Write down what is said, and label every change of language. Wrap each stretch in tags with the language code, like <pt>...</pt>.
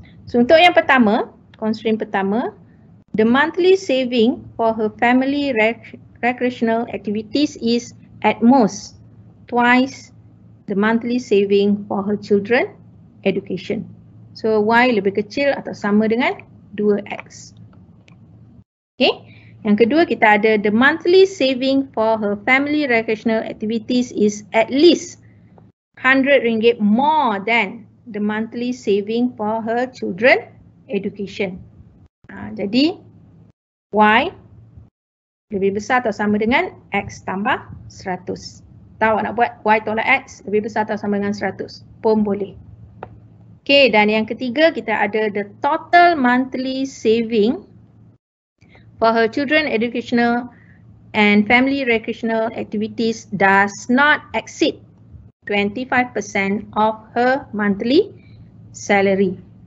<ms>So untuk yang pertama, constraint pertama,</ms> <en>the monthly saving for her family recreational activities is at most twice the monthly saving for her children education.</en> <ms>So Y lebih kecil atau sama dengan 2X.</ms> <en>Okay.</en> <ms>Yang kedua kita ada</ms> <en>the monthly saving for her family recreational activities is at least RM100 more than the monthly saving for her children education.</en> <ms>Jadi Y lebih besar atau sama dengan X tambah 100. Tahu nak buat Y tolak X lebih besar atau sama dengan 100 pun boleh.</ms> <en>Okay,</en> <ms>dan yang ketiga kita ada</ms> <en>the total monthly saving for her children educational and family recreational activities does not exceed 25% of her monthly salary.</en>